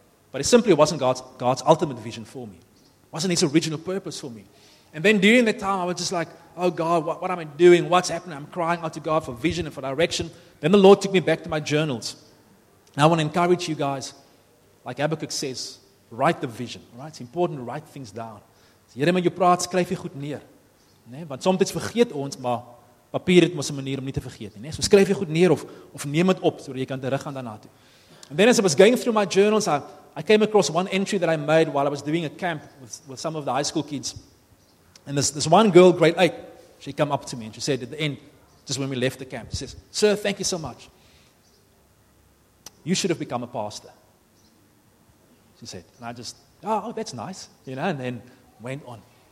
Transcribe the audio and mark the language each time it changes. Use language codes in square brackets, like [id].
[en] But it simply wasn't God's ultimate vision for me. It wasn't His original purpose for me. And then during that time, I was just like, oh God, what am I doing? What's happening? I'm crying out to God for vision and for direction. Then the Lord took me back to my journals. Now I want to encourage you guys, like Habakkuk says, write the vision. Right? It's important to write things down. [af] Here met jou praat, skryf jy goed neer. Nee, want soms vergeet ons, maar papier het mos 'n manier om nie te vergeet nie. So skryf jy goed neer of neem dit op, sodat jy kan teruggaan daarna toe. [en] And then as I was going through my journals, I came across one entry that I made while I was doing a camp with some of the high school kids. And this one girl, grade 8, she came up to me and she said at the end, just when we left the camp, she says, "Sir, thank you so much. You should have become a pastor." She said, and I just, oh, that's nice, you know, and then went on.